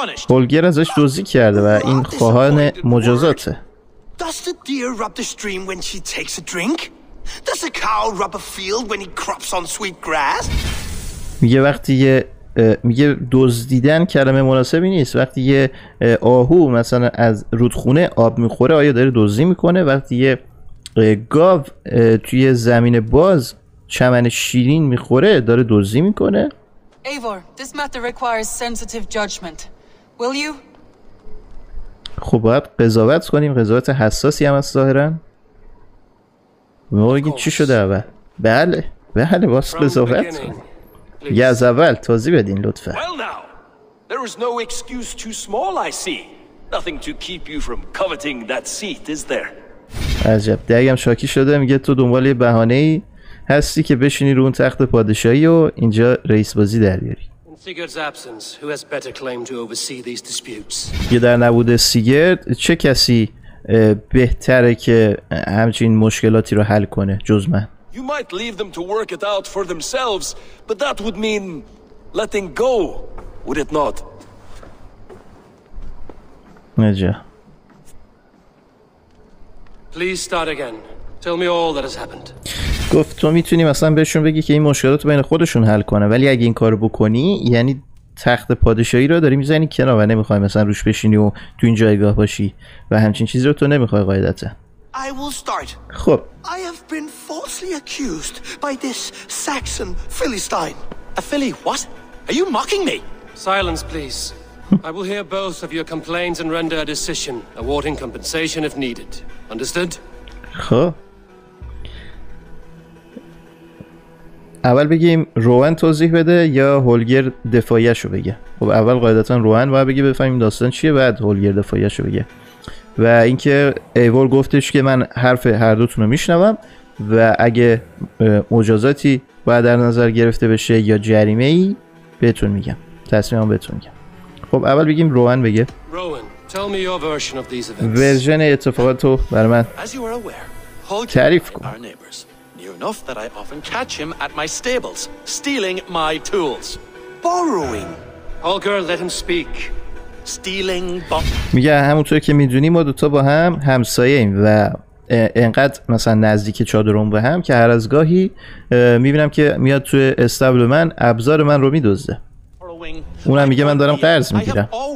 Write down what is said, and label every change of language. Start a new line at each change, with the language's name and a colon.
Persian: هولگر ازش دزدی کرده و این خواهان مجازاته.
English: Does the deer rub the stream when she takes a drink? Does a cow rub a field when he crops on sweet grass?
Persian: میگه وقتی یه میگه دزدیدن کلمه مناسبی نیست، وقتی یه آهو مثلا از رودخونه آب میخوره آیا داره دزدی میکنه؟ وقتی یه گاو توی زمین باز چمن شیرین میخوره داره دزدی میکنه؟
English: Eivor, this matter requires sensitive judgment. Will you?
Persian: خب باید قضاوت کنیم، قضاوت حساسی هم از ظاهرن. میگین چی شده اول؟ بله بله واسه قضاوت یه از اول توضیح بدین لطفا.
English: There is no excuse too small, I see. Nothing to keep you from coveting that seat, is there?
Persian: عجب. دیگه هم شاکی شده میگه تو دنبال یه بهانه‌ای هستی که بشینی رو اون تخت پادشاهی و اینجا رئیس بازی در بیاری.
English: In Sigurd's absence, who has better claim to oversee these disputes?
Persian: یه در نبوده سیگرد چه کسی بهتره که همچین مشکلاتی رو حل کنه جز من؟
English: You might leave them to work it out for themselves, but that would mean letting go. Would it not? Major. Please start again. Tell me all that has happened.
Persian: گفت تو میتونی مثلا بهشون بگی که این مشکلات بین خودشون حل کنه، ولی اگه این کارو بکنی یعنی تخت پادشاهی رو داری میزنی کنار و نمیخوای مثلا روش بشینی و تو این جایگاه باشی و همچین چیزی رو تو نمیخوای قاعدتا.
English: I will start.
Persian: خب.
English: I have been falsely accused by this Saxon Philistine. A Philly what? Are you mocking me? Silence, please. I will hear both of your complaints and render a decision, awarding compensation if needed. Understood?
Persian: خب. اول بگیم روان توضیح بده یا هولگر دفاعیشو بگه. خب اول قاعدتا روان باید بگه بفهمیم داستان چیه، بعد هولگر دفاعیشو بگه. و اینکه ایور گفتش که من حرف هر دوتونو میشنوم و اگه مجازاتی باید در نظر گرفته بشه یا جریمه ای بهتون میگم. تصمیم هم بهتون میگم. خب اول بگیم روان بگه.
English: Rowan, tell me your version of these events.
Persian: ورژن اتفاقاتو بر من تعریف کن.
English: Our neighbors knew enough that I often catch him at my stables, stealing my tools. Borrowing. Holger, let him speak. Stealing.
Persian: میگه همونطور که میدونی ما دوتا با هم همسایه‌ایم و اینقدر مثلا نزدیک چادرون به هم که هر از گاهی میبینم که میاد توی استبل من ابزار من رو میدوزه. اونم میگه من دارم قرض میگیرم.